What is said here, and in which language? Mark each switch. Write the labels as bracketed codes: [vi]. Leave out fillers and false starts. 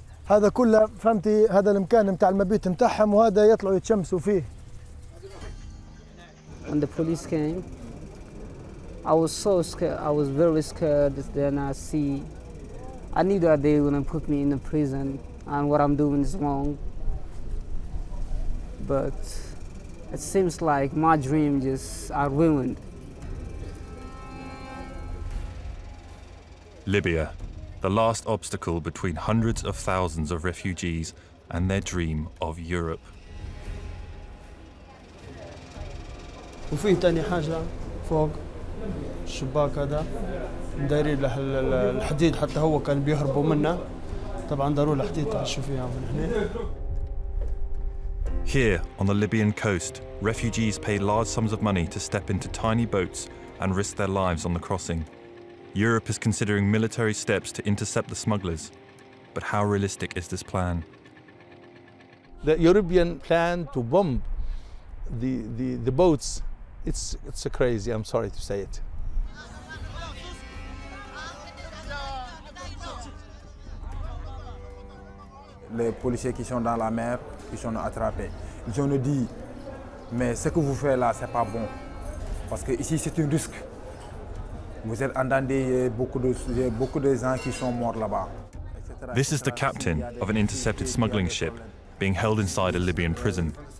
[ar] هذا كله فهمتي هذا المكان نتاع المبيت نتاعهم وهذا يطلعوا يتشمسوا فيه. [en] When the police came, I was so scared. I was very scared. Then I knew that they wouldn't put me in the prison and what I'm doing is wrong. But it seems like my dream just are ruined. Libya, the last obstacle between hundreds of thousands of refugees and their dream of Europe. [ar] وفي تاني حاجة فوق الشباك هذا دارين له الحديد حتى هو كان بيهربوا منه طبعا داروا الحديد تعشوف فيها من هنا. [en] Here on the Libyan coast, refugees pay large sums of money to step into tiny boats and risk their lives on the crossing. Europe is considering military steps to intercept the smugglers. But how realistic is this plan? The European plan to bomb the boats, it's a crazy, I'm sorry to say it. [fr] Les policiers qui sont dans la mer, ils sont attrapés. Je me dis, mais ce que vous faites là, c'est pas bon. Parce que ici, c'est un risque. Vous êtes en danger, beaucoup de gens qui sont morts là-bas. [en] This is the captain of an intercepted smuggling ship being held inside a Libyan prison.